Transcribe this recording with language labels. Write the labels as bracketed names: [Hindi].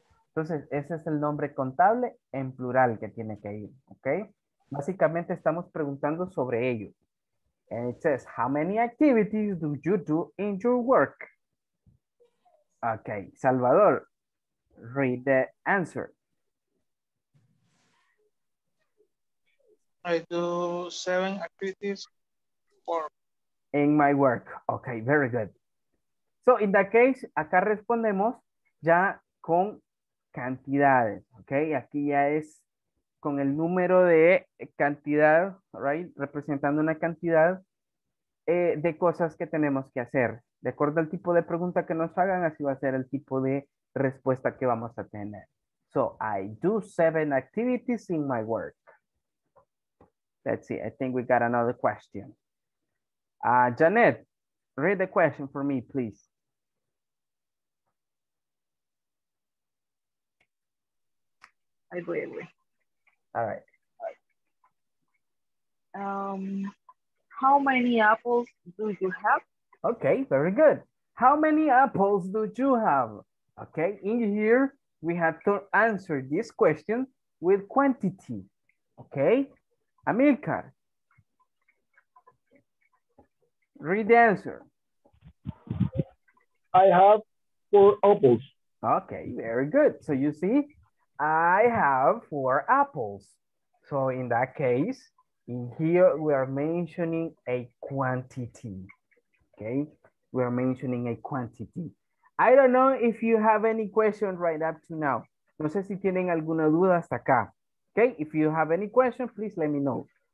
[Spanish] Entonces, ese es el nombre contable en plural que tiene que ir, ¿ok? Básicamente estamos preguntando sobre ello. [English] And it says, how many activities do you do in your work? Ok, Salvador, read the answer. I do 7 activities for... In my work. Ok, very good. So in that case, [Spanish] acá respondemos ya con cantidades, [English] ok? [Spanish] Aquí ya es con el número de cantidad, right? Representando una cantidad de cosas que tenemos que hacer. De acuerdo al tipo de pregunta que nos hagan, así va a ser el tipo de respuesta que vamos a tener. [English] So I do 7 activities in my work. Let's see, I think we got another question. Janet, read the question for me, please. How many apples do you have? Okay, very good. How many apples do you have? Okay, in here, we have to answer this question with quantity. Okay, Amilcar, read the answer. I have 4 apples. Okay, very good. So you see, I have 4 apples. So in that case, in here, we are mentioning a quantity, okay? We are mentioning a quantity. I don't know if you have any question right up to now. [Spanish] No sé si tienen alguna duda hasta acá. [English] Okay, if you have any question, please let me know.